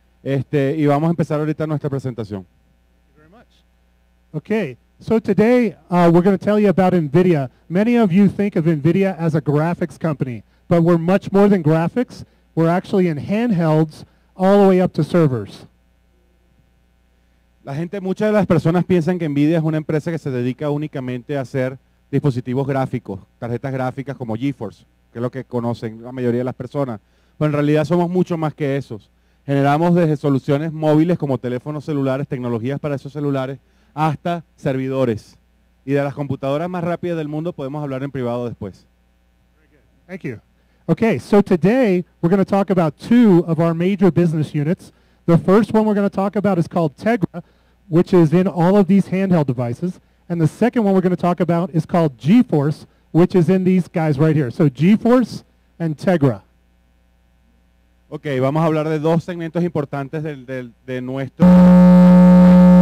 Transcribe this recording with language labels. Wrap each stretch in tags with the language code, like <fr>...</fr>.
<es>Y vamos a empezar ahorita nuestra presentación.</es> <en>Thank you very much. Okay, so today we're going to tell you about NVIDIA. Many of you think of NVIDIA as a graphics company, but we're much more than graphics. We're actually in handhelds all the way up to servers.</en> <es>La gente, muchas de las personas piensan que NVIDIA es una empresa que se dedica únicamente a hacer dispositivos gráficos, tarjetas gráficas como GeForce, que es lo que conocen la mayoría de las personas. Pero en realidad somos mucho más que esos. Generamos desde soluciones móviles como teléfonos celulares, tecnologías para esos celulares, hasta servidores. Y de las computadoras más rápidas del mundo podemos hablar en privado después.</es> <en>Thank you. Okay, so today we're going to talk about two of our major business units. The first one we're going to talk about is called Tegra, which is in all of these handheld devices. And the second one we're going to talk about is called GeForce, which is in these guys right here. So GeForce and Tegra.</en> <es>Okay, vamos a hablar de dos segmentos importantes de nuestro...</es>